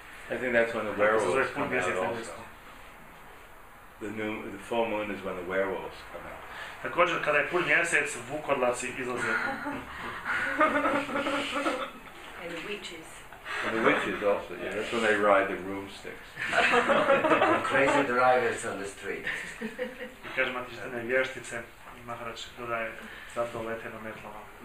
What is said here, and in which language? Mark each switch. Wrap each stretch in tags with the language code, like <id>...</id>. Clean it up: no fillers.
<en>I think that's when the werewolves come out also. The full moon is when the werewolves come out.</en> <bs>Također, kada je pun mjesec, vukodlaci izlaze.</bs> <en>And the witches. And the witches also, yeah. That's when they ride the broomsticks. Crazy drivers on the street.</en> <bs>I kaže matištene vještice, Maharaj dodaje, zato lete na metlama.</bs>